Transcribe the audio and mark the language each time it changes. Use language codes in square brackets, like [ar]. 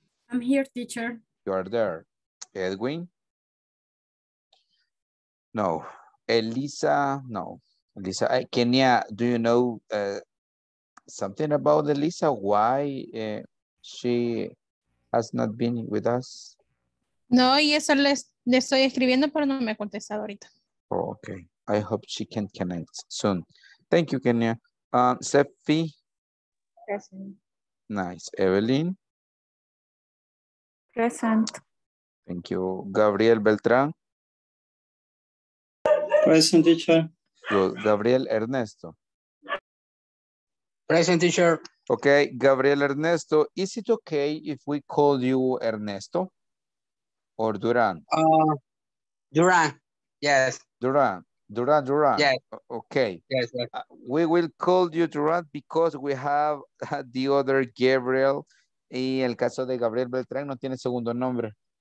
[en] I'm here, teacher. You are there. Edwin. No. Elisa, no. Elisa, Kenya, do you know something about Elisa? Why she has not been with us? [es] No, y eso le estoy escribiendo, pero no me ha contestado ahorita. [en] Oh, okay. I hope she can connect soon. Thank you, Kenya. Sefi? Present. Nice. Evelyn? Present. Thank you. Gabriel Beltran? Present, teacher. Gabriel Ernesto. Present, teacher. Okay, Gabriel Ernesto, is it okay if we call you Ernesto or Duran? Duran, yes. Duran. Yes. Okay. Yes, yes. We will call you Duran because we have the other Gabriel. [es] Y el caso de Gabriel Beltrán no tiene segundo nombre.